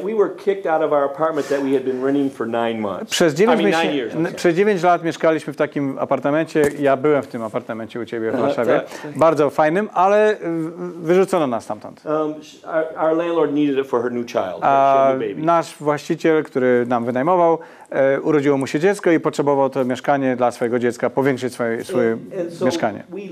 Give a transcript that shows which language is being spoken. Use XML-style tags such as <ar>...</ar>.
<en>We were kicked out of our apartment that we had been renting for 9 months.</en> <pl>Przez 9 lat mieszkaliśmy w takim apartamencie. Ja byłem w tym apartamencie u ciebie w Warszawie. Bardzo fajnym, ale wyrzucono nas stamtąd.</pl> <en>Our landlord needed it for her new child.</en> <pl>Nasz właściciel, który nam wynajmował, urodziło mu się dziecko i potrzebował to mieszkanie dla swojego dziecka, powiększyć swoje mieszkanie.</pl>